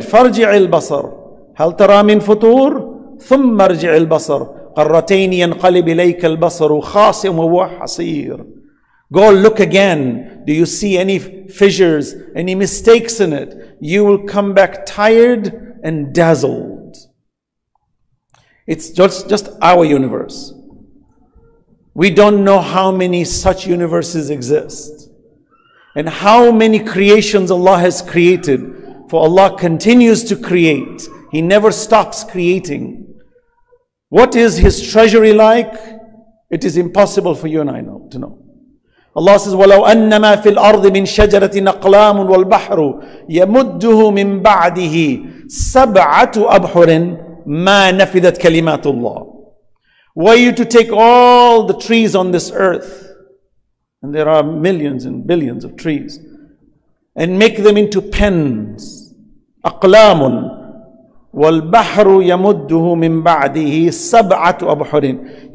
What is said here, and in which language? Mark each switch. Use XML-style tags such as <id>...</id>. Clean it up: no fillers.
<ar>فَرْجِعِ الْبَصَرِ هَلْ تَرَى مِنْ فُطُورِ ثُمَّ ارْجِعِ الْبَصَرِ قَرَّتَيْنِ يَنْقَلِبْ إِلَيْكَ الْبَصَرُ خَاسِمْ وَهُوَ حَصِيرٌ</ar> <en>Go look again. Do you see any fissures, any mistakes in it? You will come back tired and dazzled. It's just our universe. We don't know how many such universes exist and how many creations Allah has created, for Allah continues to create. He never stops creating. What is His treasury like? It is impossible for you and I to know. Allah says,</en> <ar>وَلَوْ أَنَّمَا فِي الْأَرْضِ مِنْ شَجَرَةٍ أَقْلَامٌ وَالْبَحْرُ يَمُدُّهُ مِنْ بَعْدِهِ سَبْعَةُ أَبْحُرٍ مَا نَفِذَتْ كَلِمَاتُ اللَّهِ.</ar> <en>Were you to take all the trees on this earth, and there are millions and billions of trees, and make them into pens,</en> <ar>أَقْلَامٌ وَالْبَحْرُ يَمُدُّهُ مِنْ بَعْدِهِ سَبْعَةُ أَبْحُرٍ.</ar>